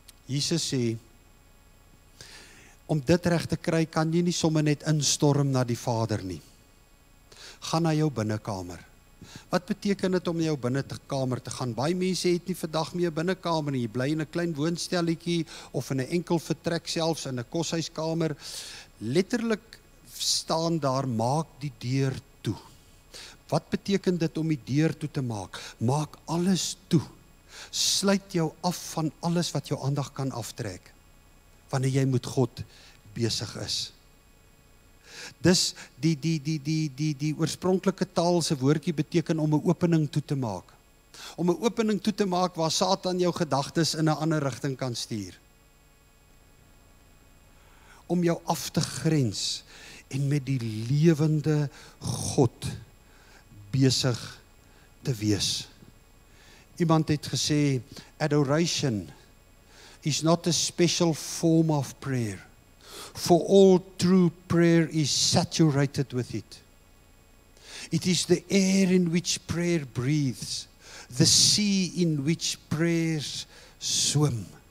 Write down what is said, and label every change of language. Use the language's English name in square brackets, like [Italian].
[Afrikaans] Jesus sê, om dit recht te kry, kan jy nie sommer net instorm na die Vader nie. Ga na jou binnenkamer. Wat beteken het om jou binnenkamer te gaan? Baie mense het nie vandag meer binnenkamer nie. Jy bly in 'n klein woonstelletjie of in 'n enkel vertrek selfs, in 'n koshuiskamer. Letterlik staan daar, maak die deur toe. Wat beteken dit om die deur toe te maak? Maak alles toe. Sluit jou af van alles wat jou aandag kan aftrek, wanneer jy met God besig is. Dis die oorspronklike taalse woordjie beteken om 'n opening toe te maak. Om 'n opening toe te maak waar Satan jou gedagtes in 'n ander rigting kan stuur. Om jou af te grens en met die lewende God besig te wees. [English] Iemand het gesê, adoration is not a special form of prayer, for all true prayer is saturated with it. It is the air in which prayer breathes, the sea in which prayers swim.